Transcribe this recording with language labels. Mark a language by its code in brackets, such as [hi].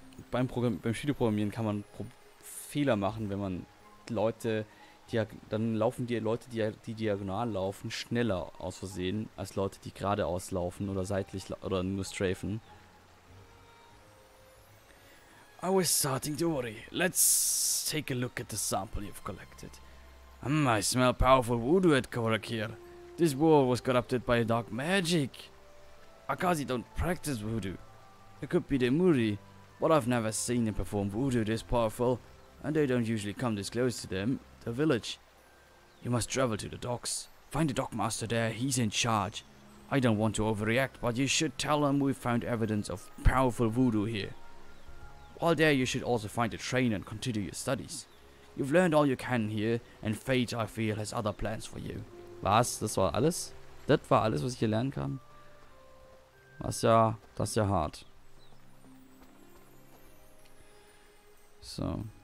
[de] Beim Spieleprogrammieren kann man Fehler machen, wenn man Leute... dann laufen die Leute, die diagonal laufen, schneller aus Versehen, als Leute, die geradeaus laufen oder seitlich oder nur strafen. [en] I was starting to worry. Let's take a look at the sample you've collected. I smell powerful voodoo at work here. This war was corrupted by dark magic. Akazi don't practice voodoo. It could be the Muri, but I've never seen them perform voodoo this powerful, and they don't usually come this close to them, the village. You must travel to the docks. Find the dockmaster there, he's in charge. I don't want to overreact, but you should tell him we found evidence of powerful voodoo here. While there, you should also find a train and continue your studies. You've learned all you can here, and fate, I feel, has other plans for you. [de] Was? Das war alles? Das war alles, was ich hier lernen kann? Das ist ja hart. So.